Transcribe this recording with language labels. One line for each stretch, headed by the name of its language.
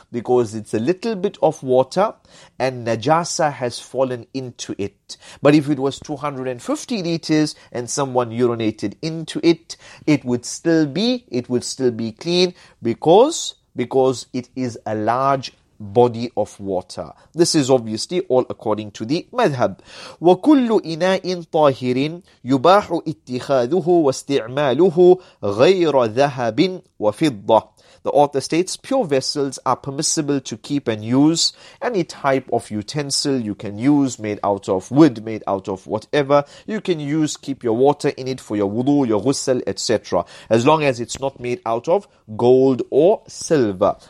English: Because it's a little bit of water and najasa has fallen into it. But if it was 250 liters and someone urinated into it, it would still be clean because it is a large body of water. This is obviously all according to the madhab.
Arabic: وكل إناء طاهر يباح اتخاذه واستعماله غير ذهب وفضة.
English: The author states pure vessels are permissible to keep and use. Any type of utensil you can use, made out of wood, made out of whatever, you can use, keep your water in it for your wudu, your ghusl, etc. As long as it's not made out of gold or silver.